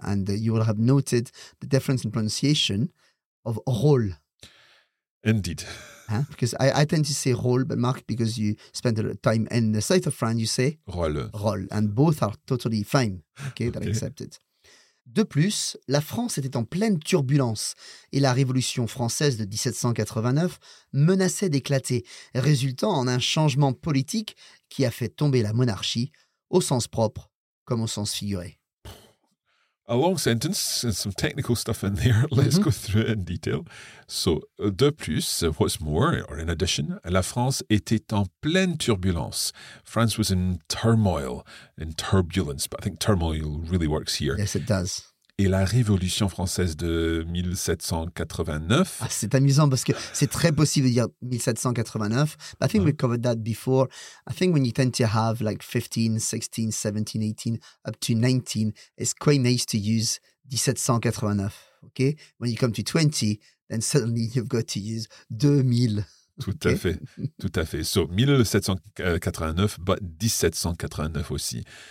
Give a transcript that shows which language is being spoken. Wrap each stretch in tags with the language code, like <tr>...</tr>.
<en>And you will have noted the difference in pronunciation of rôle. Indeed. Hein? Because I tend to say rôle, but Mark, because you spent a lot of time in the south of France, you say rôle. Rôle. And both are totally fine. Okay, that I accepted.</en> <fr>De plus, la France était en pleine turbulence et la Révolution française de 1789 menaçait d'éclater, résultant en un changement politique qui a fait tomber la monarchie au sens propre comme au sens figuré.</fr> <en>A long sentence and some technical stuff in there. Let's go through it in detail. So,</en> <fr>de plus,</fr> <en>what's more, or in addition,</en> <fr>la France était en pleine turbulence.</fr> <en>France was in turmoil, in turbulence, but I think turmoil really works here. Yes, it does.</en> <fr>Et la Révolution française de 1789... Ah, c'est amusant parce que c'est très possible de dire 1789.</fr> <en>But I think we covered that before. I think when you tend to have like 15, 16, 17, 18, up to 19, it's quite nice to use 1789, okay? When you come to 20, then suddenly you've got to use 2000.</en> <fr>Tout okay? à fait, tout à fait.</fr> <en>So 1789, but</en> <fr>1789 aussi.</fr>